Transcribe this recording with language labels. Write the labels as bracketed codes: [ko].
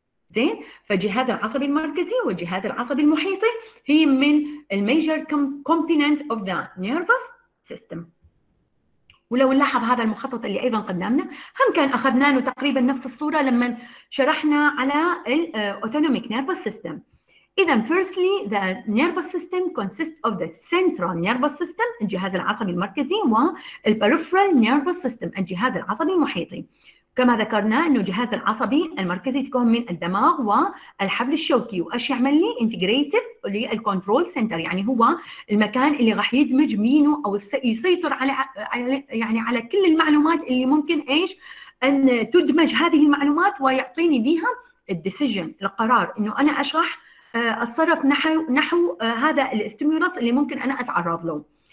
[ar] زين؟ فالجهاز العصبي المركزي والجهاز العصبي المحيطي هي من الميجر كومبوننت اوف ذا نيرفس سيستم. ولو نلاحظ هذا المخطط اللي أيضاً قدمنا هم كان أخذناه تقريباً نفس الصورة لما شرحنا على الـ Autonomic Nervous System. [en] إذن firstly the nervous system consists of the central nervous system [ar] الجهاز العصبي المركزي [en] والـ peripheral nervous system [ar] الجهاز العصبي المحيطي. كما ذكرنا أنه الجهاز العصبي المركزي تكون من الدماغ والحبل الشوكي، وأش يعمل لي؟ Integrated للكنترول سنتر، يعني هو المكان اللي راح يدمج مينه أو يسيطر على يعني على كل المعلومات اللي ممكن إيش أن تدمج هذه المعلومات ويعطيني بها الديسيجن، القرار أنه أنا أشرح أتصرف نحو هذا الاستيمولس اللي ممكن أنا أتعرض له.